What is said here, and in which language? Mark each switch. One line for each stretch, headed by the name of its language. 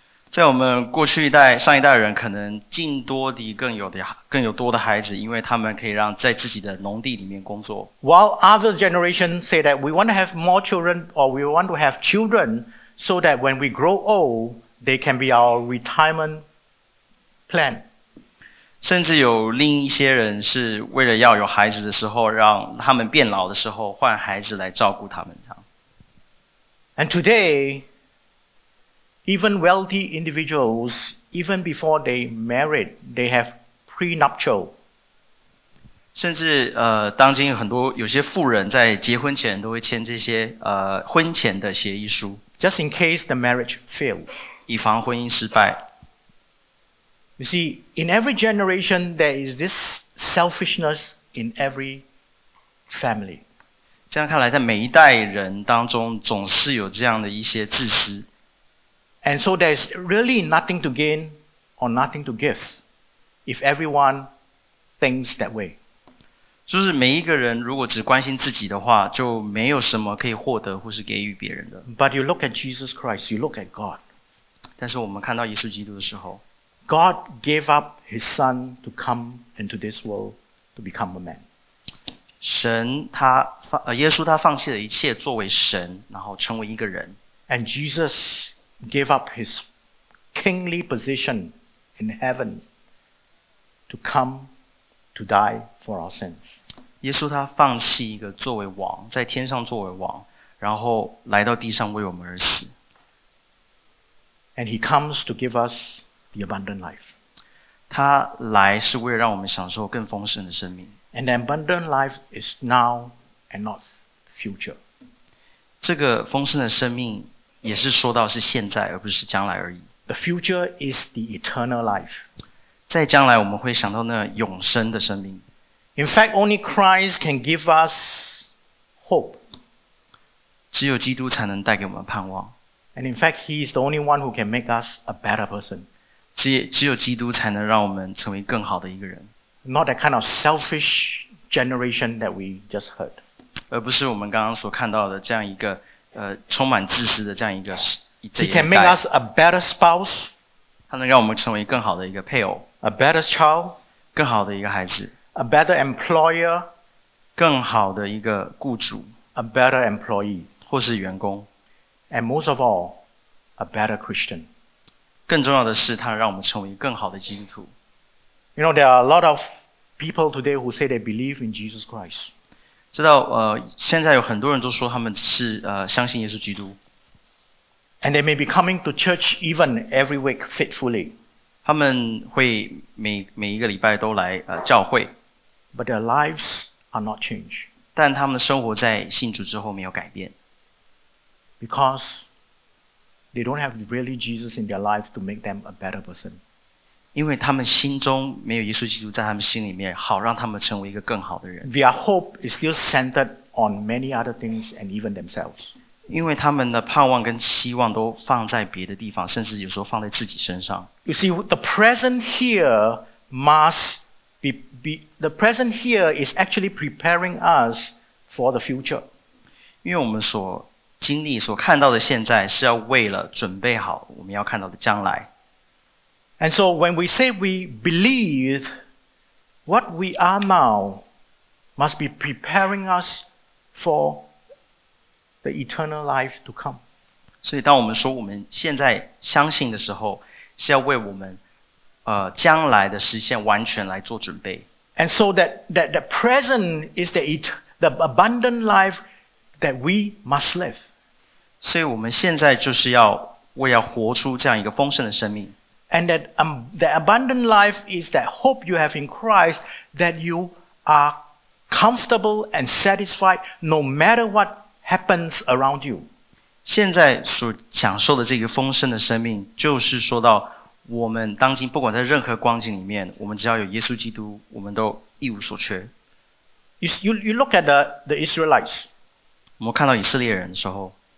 Chinese: 在我们过去一代、上一代人可能尽多的更有多的孩子，因为他们可以让在自己的农地里面工作。
English: While other generations say that we want to have more children or we want to have children so that when we grow old, they can be our retirement plan.
Chinese: 甚至有另一些人是为了要有孩子的时候，让他们变老的时候换孩子来照顾他们。
English: And today, even wealthy individuals, even before they married, they have prenuptial.
Chinese: 甚至当今很多有些富人在结婚前都会签这些婚前的协议书。
English: Just in case the marriage fails.
Chinese: 以防婚姻失败。
English: You see, in every generation, there is this selfishness in every family.
Chinese: 这样看来，在每一代人当中，总是有这样的一些自私。
English: And so there is really nothing to gain or nothing to give if everyone thinks that way.
Chinese: 就是每一个人如果只关心自己的话，就没有什么可以获得或是给予别人的。
English: But you look at Jesus Christ, you look at God.
Chinese: 但是我们看到耶稣基督的时候，
English: God gave up His Son to come into this world to become a man.
Chinese: 神他耶稣他放弃了一切作为神，然后成为一个人。
English: And Jesus gave up His kingly position in heaven to come to die for our sins.
Chinese: 耶稣他放弃一个作为王，在天上作为王，然后来到地上为我们而死。
English: And He comes to give us. The abundant life.
Chinese: 他来是为了让我们享受更丰盛的生命。
English: And the abundant life is now and not future.
Chinese: 这个丰盛的生命也是说到是现在而不是将来而已。
English: The future is the eternal life.
Chinese: 在将来我们会想到那永生的生命。
English: In fact, only Christ can give us hope.
Chinese: 只有基督才能带给我们盼望。
English: And in fact, He is the only one who can make us a better person.
Chinese: 只有基督才能让我们成为更好的一个人。
English: Not that kind of selfish generation that we just heard.
Chinese: 而不是我们刚刚所看到的这样一个充满自私的这样一个这一代。
English: He can make us a better spouse.
Chinese: 他能让我们成为更好的一个配偶。
English: A better child.
Chinese: 更好的一个孩子。
English: A better employer.
Chinese: 更好的一个雇主。
English: A better employee.
Chinese: 或是员工。
English: And most of all, a better Christian.
Chinese: 更重要的是，他让我们成为更好的基督徒。
English: You know, there are a lot of people today who say they believe in Jesus Christ.
Chinese: 知道，现在有很多人都说他们是相信耶稣基督。
English: And they may be coming to church even every week faithfully.
Chinese: 他们会每一个礼拜都来教会。
English: But their lives are not changed.
Chinese: 但他们的生活在信主之后没有改变。
English: Because. They don't have really Jesus in their life to make them a better person.
Chinese: 因为他们心中没有耶稣基督在他们心里面，好让他们成为一个更好的人。
English: Their hope is still centered on many other things and even themselves.
Chinese: 因为他们的盼望跟希望都放在别的地方，甚至有时候放在自己身上。
English: You see, the present here is actually preparing us for the future.
Chinese: 因为我们所经历所看到的现在是要为了准备好我们要看到的将来。
English: And so when we say we believe, what we are now must be preparing us for the eternal life to come.
Chinese: 所以当我们说我们现在相信的时候，是要为我们将来的实现完全来做准备。
English: And so that the present is the abundant life that we must live.
Chinese: 所以我们现在就是要为要活出这样一个丰盛的生命。
English: And that, the abundant life is that hope you have in Christ that you are comfortable and satisfied no matter what happens around you.
Chinese: 现在所享受的这个丰盛的生命就是说到我们当今不管在任何光景里面，我们只要有耶稣基督，我们都一无所缺。
English: You look at the Israelites.
Chinese: 我们看到以色列人的时候，